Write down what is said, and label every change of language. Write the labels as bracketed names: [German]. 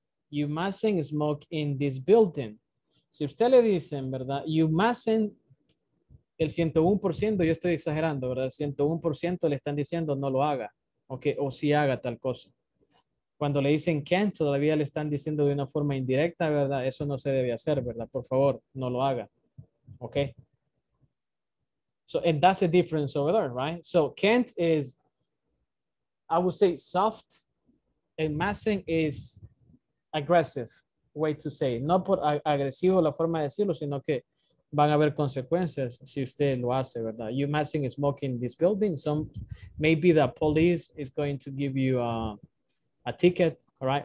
[English] You mustn't smoke in this building. [Spanish] Si usted le dicen, ¿verdad? [English] You mustn't. [Spanish] El 101%, yo estoy exagerando, ¿verdad? El 101% le están diciendo no lo haga, [English] okay, [Spanish] o sí haga tal cosa. Cuando le dicen can't, todavía le están diciendo de una forma indirecta, ¿verdad? Eso no se debe hacer, ¿verdad? Por favor, no lo haga, [English] okay? So, and that's the difference over there, right? So, can't is, I would say, soft, and mustn't is aggressive way to say. [Spanish] No por agresivo la forma de decirlo, sino que van a haber consecuencias si usted lo hace, ¿verdad? [English] You mustn't smoke in this building. Some, maybe the police is going to give you a ticket, all right?